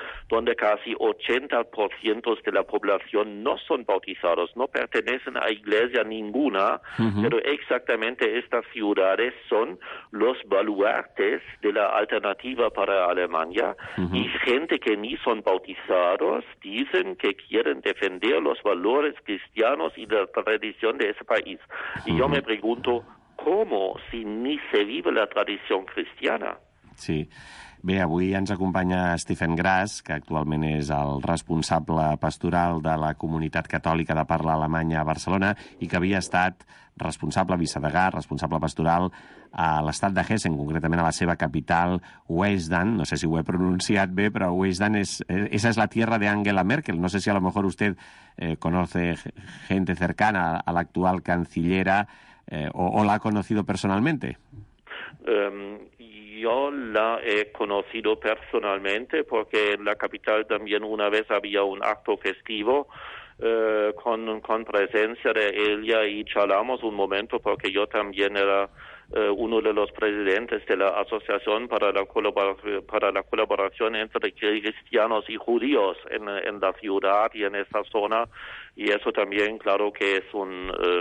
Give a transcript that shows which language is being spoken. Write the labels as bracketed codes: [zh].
[es] donde casi 80% de la población no son bautizados, no pertenecen a iglesia ninguna, uh-huh, pero exactamente estas ciudades son los baluartes de la Alternativa para Alemania, uh-huh, y gente que ni son bautizados dicen que quieren defender los valores cristianos y la tradición de ese país. Uh-huh. Y yo me pregunto, ¿cómo si ni se vive la tradición cristiana? Sí. [ca] Bé, avui ens acompanya Stephen Grass, que actualment és el responsable pastoral de la comunitat catòlica de parla alemanya a Barcelona i que havia estat responsable, vicedegà, responsable pastoral a l'estat de Hessen, concretament a la seva capital, Wiesbaden. No sé si ho he pronunciat bé, però Wiesbaden és... [es] Esa es la tierra de Angela Merkel. No sé si a lo mejor usted conoce gente cercana a [ca] l'actual cancillera [es] o la ha conocido personalmente. Yo la he conocido personalmente porque en la capital también una vez había un acto festivo con presencia de ella y charlamos un momento porque yo también era uno de los presidentes de la Asociación para la colaboración entre cristianos y judíos en la ciudad y en esa zona, y eso también claro que es un...